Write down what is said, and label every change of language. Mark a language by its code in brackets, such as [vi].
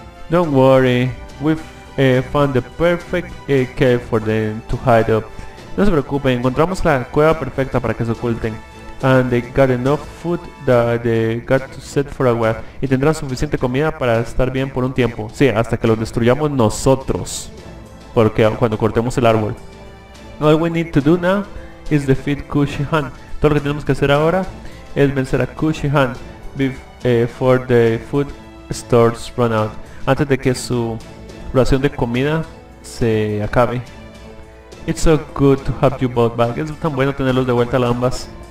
[en] Don't worry, we've found the perfect cave for them to hide up. [es] No se preocupen, encontramos la cueva perfecta para que se oculten. [en] And they got enough food that they got to set for a while. [es] Y tendrán suficiente comida para estar bien por un tiempo. Sí, hasta que los destruyamos nosotros. Porque cuando cortemos el árbol. [en] All we need to do now is defeat Kushihan. [es] Todo lo que tenemos que hacer ahora es vencer a Kushihan. [en] Before the food stores run out. [es] Antes de que su ración de comida se acabe. [en] It's so good to have you both back. [es] Es tan bueno tenerlos de vuelta a ambas.